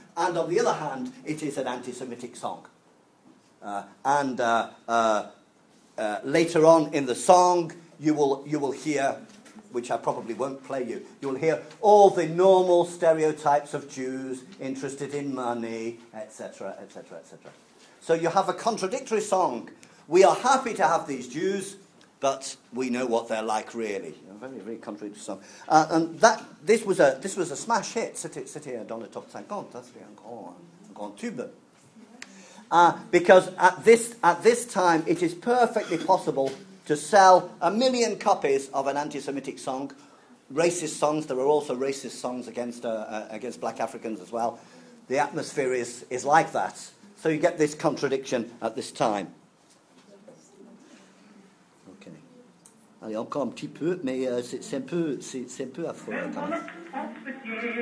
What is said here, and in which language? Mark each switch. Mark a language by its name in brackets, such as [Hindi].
[English] And on the other hand, it is an anti-Semitic song. Later on in the song, you will hear, which I probably won't play you, you will hear all the normal stereotypes of Jews interested in money, etc., etc., etc. So you have a contradictory song. We are happy to have these Jews, but we know what they're like really. A very, very contradictory song. And that this was a smash hit. [French] C'était dans le top 50, c'était un grand tube. [English] Because at this time, it is perfectly possible to sell a million copies of an anti-Semitic song, racist songs. There are also racist songs against black Africans as well. The atmosphere is like that. So you get this contradiction at this time. Okay. [French] Allez, encore un petit peu, mais c'est un peu affreux. Quand même.